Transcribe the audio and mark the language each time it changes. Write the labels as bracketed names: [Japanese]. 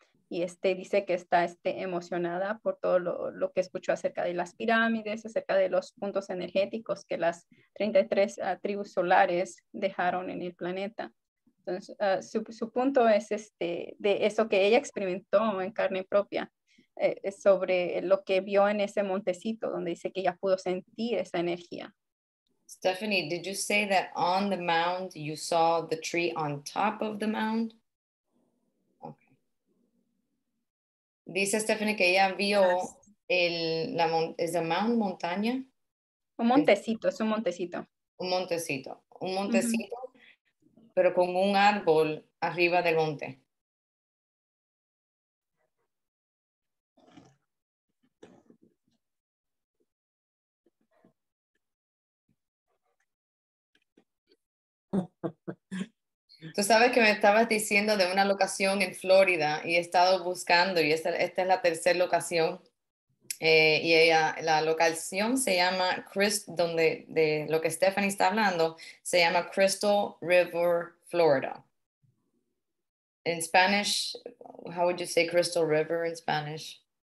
[Spanish] Y dice que está emocionada por todo lo que escuchó acerca de las pirámides, acerca de los puntos energéticos que las 33 tribus solares dejaron en el planeta. Entonces, su punto es de eso que ella experimentó en carne propia. Sobre lo que vio en ese montecito donde dice que ella pudo sentir esa energía. [English] Stephanie, did you say that on the mound you saw the tree on top of the mound? [Spanish] Okay. Dice Stephanie que ella vio [English] is a mound [Spanish] montaña? Es un montecito. Un montecito, mm-hmm. Pero con un árbol arriba del monte. Tú sabes que me estabas diciendo de una locación en Florida y he estado buscando y esta es la tercera locación y la locación se llama donde de lo que Stephanie está hablando se llama Crystal River, Florida. [English] In Spanish, how would you say Crystal River in Spanish?